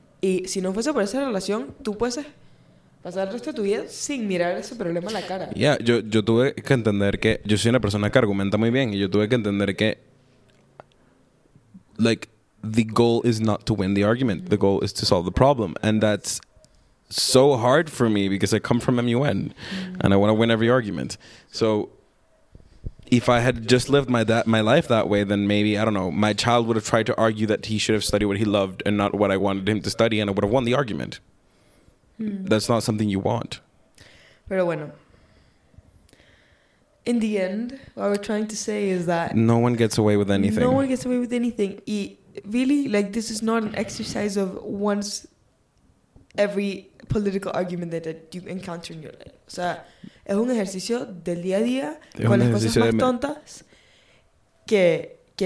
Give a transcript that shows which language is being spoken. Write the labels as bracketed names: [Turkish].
[Spanish] Y si no fuese por esa relación, tú puedes... Pasar el resto de tu vida sin mirar ese problema a la cara. Ya, yo tuve que entender que... Yo soy una persona que argumenta muy bien. Y yo tuve que entender que... [English] Like, the goal is not to win the argument. The goal is to solve the problem. And that's so hard for me because I come from MUN. Mm-hmm. And I want to win every argument. So, if I had just lived my life that way, then maybe, I don't know, my child would have tried to argue that he should have studied what he loved and not what I wanted him to study, and I would have won the argument. That's not something you want. [Spanish] Pero bueno. [English] In the end, what we're trying to say is that... No one gets away with anything. No one gets away with anything. Y really, like, this is not an exercise of once every political argument that you encounter in your life. [Spanish] O sea, es un ejercicio del día a día con las cosas más tontas que...